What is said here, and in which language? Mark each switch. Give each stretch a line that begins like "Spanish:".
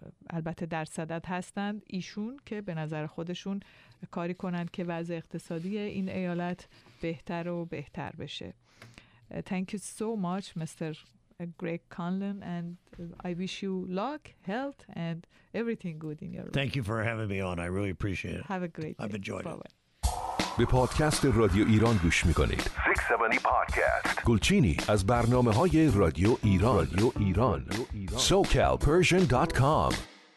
Persian: البته در صدد هستند ایشون که به نظر خودشون کاری کنند که وضع اقتصادی این ایالت بهتر و بهتر بشه.
English: Thank you so much, Mr. Greg Conlon, and I wish you luck, health, and everything good in your life. Thank you for having me on. I really appreciate it. Have a great day. I've enjoyed it.
Persian: به پادکست رادیو ایران گوش می‌کنید. 670 پادکست. گلچینی از برنامه‌های رادیو ایران. SoCalPersian.com.